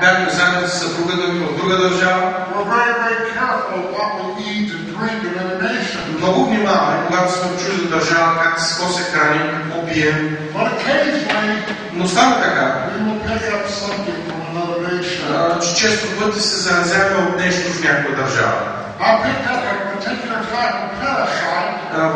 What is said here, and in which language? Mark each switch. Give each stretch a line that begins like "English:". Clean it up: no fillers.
Bulgarian: Бяхме заедно с съпругата ми в друга държава.
English: We're very, very careful what we eat and drink in a nation.
Bulgarian: Много внимаваме, когато сме в чужда държава, как с какво се храним, какво пием.
English: But occasionally,
Bulgarian: но става така.
English: We will pick up something from another nation.
Bulgarian: Че често пъти се заразяваме от нещо в някоя държава.
English: I picked up a particular type of parasite.